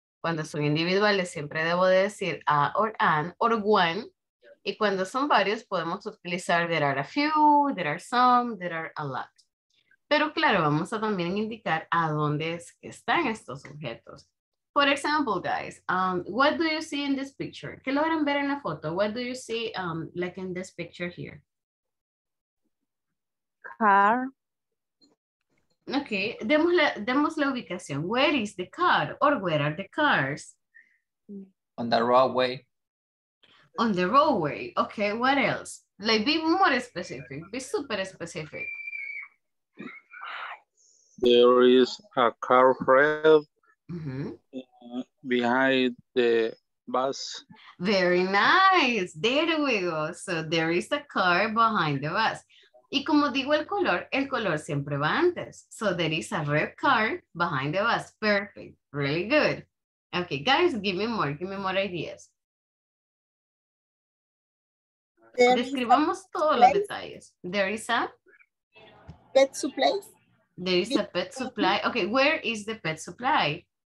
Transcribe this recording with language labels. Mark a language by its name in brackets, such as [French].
[Spanish] Cuando son individuales, siempre debo decir [English] a or an or one. [Spanish] Y cuando son varios, podemos utilizar [English] there are a few, there are some, there are a lot. [Spanish] Pero claro, vamos a también indicar a dónde es que están estos objetos. [English] For example, guys, what do you see in this picture? [Spanish] ¿Qué logran ver en la foto? [English] What do you see like in this picture here? Car. [Spanish] Okay, demos la ubicación. [English] Where is the car or where are the cars? On the roadway. On the roadway. Okay, what else? Like be more specific, be super specific. There is a car red behind the bus. Very nice. There we go. So there is a car behind the bus. [Spanish] Y como digo el color siempre va antes. [English] So there is a red car behind the bus. Perfect, really good. Okay, guys, give me more ideas. [Spanish] Describamos todos los detalles. [English] There is a pet supply. There is a pet supply. Okay, where is the pet supply?